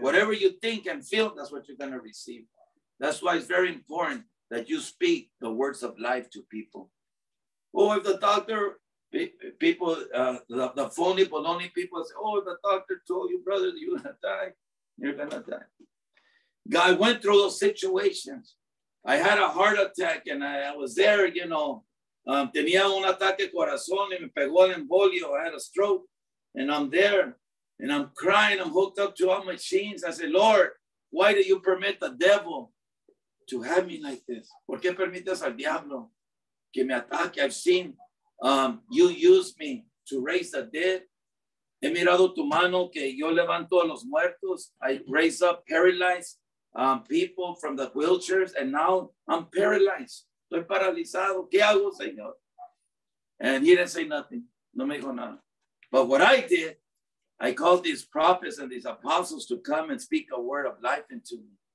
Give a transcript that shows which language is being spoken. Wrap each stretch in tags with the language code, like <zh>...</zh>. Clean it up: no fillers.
<en>Whatever you think and feel, that's what you're going to receive. That's why it's very important that you speak the words of life to people. Oh, if the doctor... People, the phony baloney people say, oh, the doctor told you, brother, you're gonna die. You're gonna die. God went through those situations. I had a heart attack and I was there, you know.</en> <es>Tenía un ataque corazón y me pegó el embolio.</es> <en>I had a stroke and I'm there and I'm crying. I'm hooked up to all machines. I said, Lord, why do you permit the devil to have me like this?</en> <es>¿Por qué permites al diablo que me ataque?</es> <en>I've seen. You use me to raise the dead.</en> <es>He mirado tu mano que yo levanto a los muertos.</es> <en>I raise up paralyzed people from the wheelchairs, and now I'm paralyzed.</en> <es>Estoy paralizado. ¿Qué hago, Señor?</es> <en>And he didn't say nothing.</en> <es>No me dijo nada.</es> <en>But what I did, I called these prophets and these apostles to come and speak a word of life into me.</en>